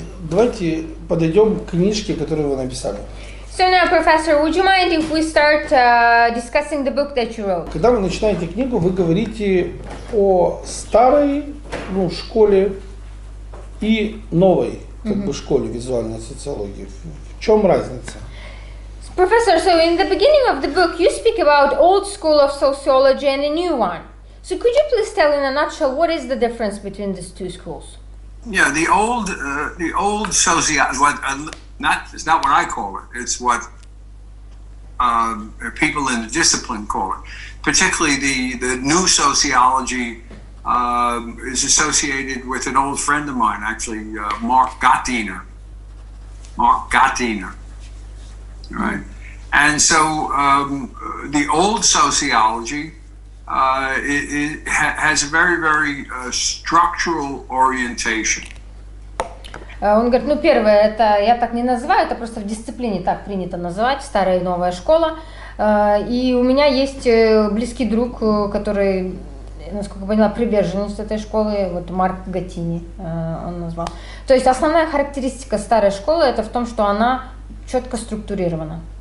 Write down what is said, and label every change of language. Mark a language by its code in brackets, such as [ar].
[ru] Давайте подойдем к книжке, которую вы написали. [en] So now, professor, would you mind if we start discussing the book that you wrote? [ru] Когда вы начинаете книгу, вы говорите о старой школе и новой школе визуальной социологии. В чем разница? [en] Professor, so in the beginning of the book, you speak about old school of sociology and a new one. So could you please tell in a nutshell what is the difference between these two schools? Yeah, the old sociology, it's not what I call it, it's what people in the discipline call it. Particularly the new sociology is associated with an old friend of mine, actually, Mark Gottiner. Right. And so the old sociology has a very, very structural orientation. [ru] Он говорит, первое, это я так не называю, это просто в дисциплине так принято называть, старая и новая школа. И у меня есть близкий друг, который, насколько я поняла, приверженец этой школы, Марк Гатини он назвал. То есть основная характеристика старой школы это в том, что она четко структурировано.